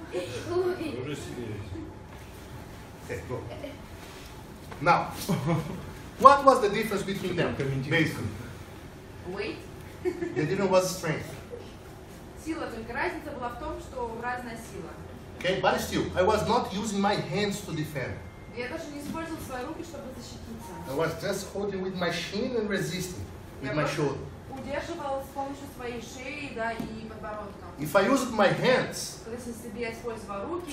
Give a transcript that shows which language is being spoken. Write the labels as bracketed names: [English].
[English] Okay, now, what was the difference between them? Basically. Weight. The difference was strength. [Russian] Сила, только разница была в том, что разная сила. [English] Okay, but still, I was not using my hands to defend. [Russian] Я даже не использовал свои руки, чтобы защититься. [English] I was just holding with my shin and resisting with my shoulder. [Russian] Удерживал с помощью своей шеи, да, и подбородка. [English] If I used my hands, [Russian] если бы я использовал руки,